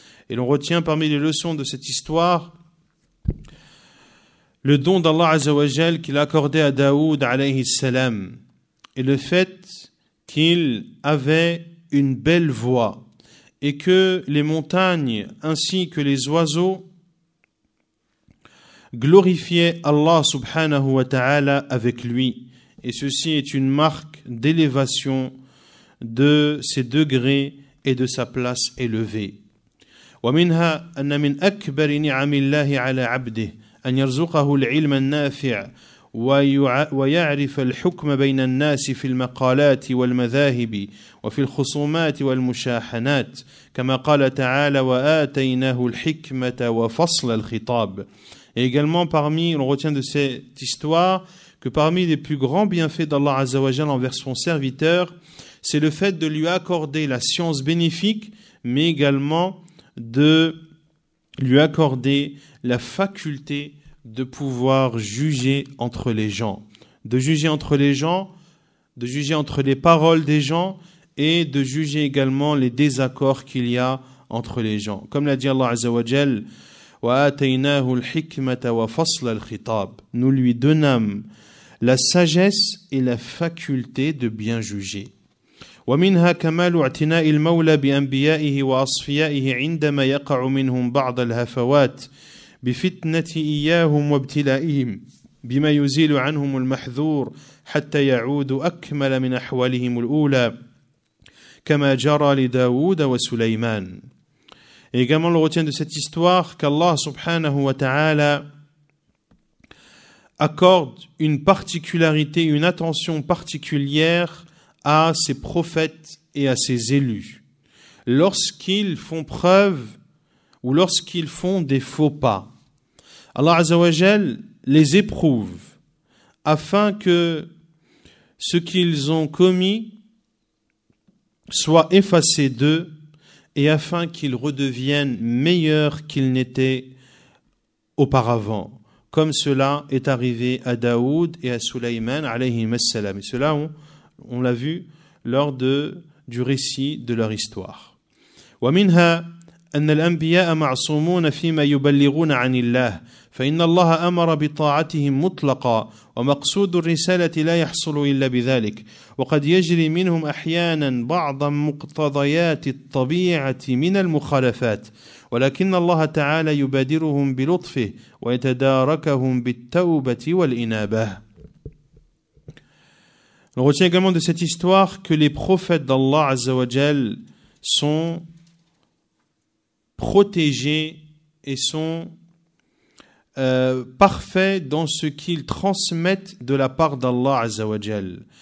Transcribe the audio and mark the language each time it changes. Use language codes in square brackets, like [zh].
[fr] Et l'on retient parmi les leçons de cette histoire le don d'Allah Azza wa Jal qu'il a accordé à Daoud alayhi salam, et le fait qu'il avait une belle voix et que les montagnes ainsi que les oiseaux glorifiaient Allah subhanahu wa ta'ala avec lui. Et ceci est une marque d'élévation de ses degrés et de sa place élevée. [ar] ومنها أن من أكبر نعم الله على عبده أن يرزقه العلم النافع ويعرف الحكم بين الناس في المقالات والمذاهب وفي الخصومات والمشاحنات كما قال تعالى وآتيناه الحكمة وفصل الخطاب. [fr] Et également parmi, on retient de cette histoire que parmi les plus grands bienfaits d'Allah Azza wa Jalla envers son serviteur, c'est le fait de lui accorder la science bénéfique, mais également de lui accorder la faculté de pouvoir juger entre les gens, de juger entre les gens, de juger entre les paroles des gens et de juger également les désaccords qu'il y a entre les gens. Comme l'a dit Allah Azza wa Jal, [ar] wa atainahu al-hikmata wa fasla al-khitab. [fr] Nous lui donnâmes la sagesse et la faculté de bien juger. [ar] ومنها كمال اعتناء المولى بأنبيائه وأصفيائه عندما يقع منهم بعض الهفوات بفتنة إياهم وابتلائهم بما يزيل عنهم المحذور حتى يعود أكمل من أحوالهم الأولى كما جرى لداود وسليمان. [fr] Et également le retient de cette histoire qu'Allah subhanahu wa ta'ala accorde une particularité, une attention particulière à ses prophètes et à ses élus. Lorsqu'ils font preuve ou lorsqu'ils font des faux pas, Allah Azza wa Jal les éprouve afin que ce qu'ils ont commis soit effacé d'eux et afin qu'ils redeviennent meilleurs qu'ils n'étaient auparavant. Comme cela est arrivé à Daoud et à Sulayman alayhi salam. Et cela, on l'a vu lors du récit de leur histoire. [ar] ومنها أن الأنبياء معصومون فيما يبلغون عن الله فإن الله أمر بطاعتهم مطلقا ومقصود الرسالة لا يحصل إلا بذلك وقد يجري منهم أحيانا بعض مقتضيات الطبيعة من المخالفات ولكن الله تعالى يبادرهم بلطفه ويتداركهم بالتوبة والإنابة. [fr] On retient également de cette histoire que les prophètes d'Allah Azzawajal sont protégés et sont parfaits dans ce qu'ils transmettent de la part d'Allah Azzawajal.